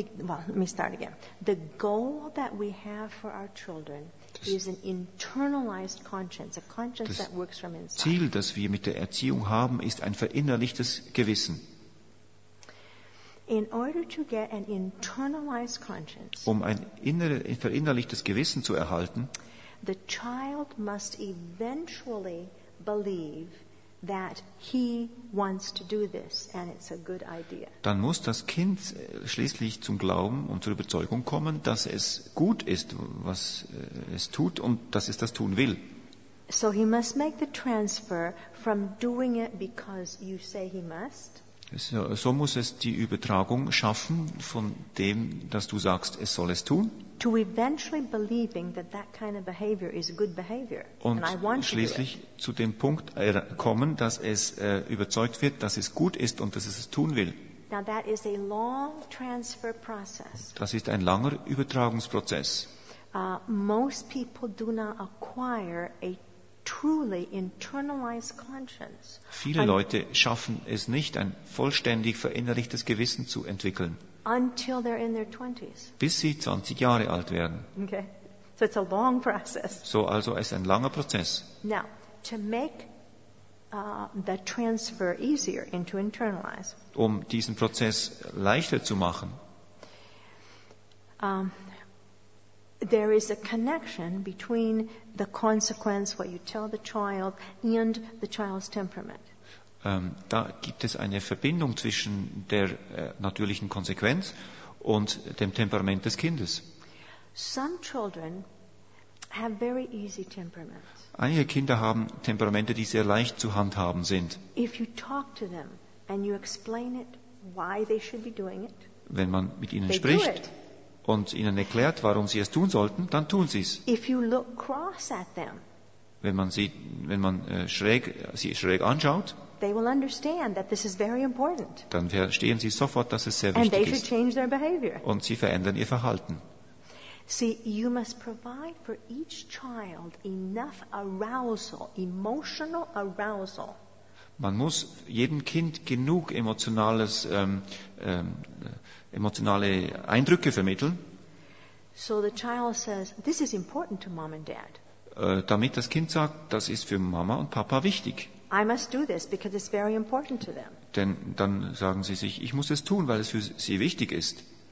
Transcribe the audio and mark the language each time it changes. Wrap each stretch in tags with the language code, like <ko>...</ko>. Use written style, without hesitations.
<en>The goal that we have for our children is an internalized conscience, a conscience that works from inside.</en> <de>Das Ziel, das wir mit der Erziehung haben, ist ein verinnerlichtes Gewissen.</de> <en>In order to get an internalized conscience,</en> <de>um ein verinnerlichtes Gewissen zu erhalten,</de> <en>the child must eventually believe that he wants to do this and it's a good idea.</en> <de>Dann muss das Kind schließlich zum Glauben und zur Überzeugung kommen, dass es gut ist, was es tut und dass es das tun will.</de> <en>So he must make the transfer from doing it because you say he must.</en> <de>So muss es die Übertragung schaffen von dem, dass du sagst, es soll es tun.</de> <en>To eventually believing that that kind of behavior is good behavior.</en> <de>Und schließlich zu dem Punkt kommen, dass es überzeugt wird, dass es gut ist und dass es es tun will.</de> <en>Now that is a long transfer process.</en> <de>Das ist ein langer Übertragungsprozess.</de> <en>Most people do not acquire a truly internalized conscience.</en> <de>Viele Leute schaffen es nicht, ein vollständig verinnerlichtes Gewissen zu entwickeln.</de> <en>Until they're in their 20s.</en> <de>Bis sie 20 Jahre alt werden.</de> <en>Okay. So it's a long process.</en> <de>So also ist ein langer Prozess.</de> <en>Now, to make the transfer easier into internalized.</en> <de>Um diesen Prozess leichter zu machen.</de> <en>There is a connection between the consequence, what you tell the child, and the child's temperament.</en> <de>Da gibt es eine Verbindung zwischen der natürlichen Konsequenz und dem Temperament des Kindes.</de> <en>Some children have very easy temperaments.</en> <de>Einige Kinder haben Temperamente, die sehr leicht zu handhaben sind.</de> <en>If you talk to them and you explain it, why they should be doing it,</en> <de>wenn man mit ihnen spricht und ihnen erklärt, warum sie es tun sollten, dann tun sie es.</de> <en>If you look cross at them,</en> <de>wenn man sie schräg anschaut,</de> <en>they will understand that this is very important.</en> <de>Dann verstehen sie sofort, dass es sehr</de> <en>and</en> <de>wichtig</de> <en>they should</en> <de>ist.</de> <en>Change their behavior.</en> <de>Und sie verändern ihr Verhalten.</de> <en>See, you must provide for each child enough arousal, emotional arousal.</en> <de>Man muss jedem Kind genug emotionale Eindrücke vermitteln.</de> <en>So the child says, this is important to mom and dad.</en> <de>Damit das Kind sagt, das ist für Mama und Papa wichtig.</de> <en>I must do this because it's very important to them.</en> <de>Denn dann sagen sie sich, ich muss es tun, weil es für sie wichtig ist.</de>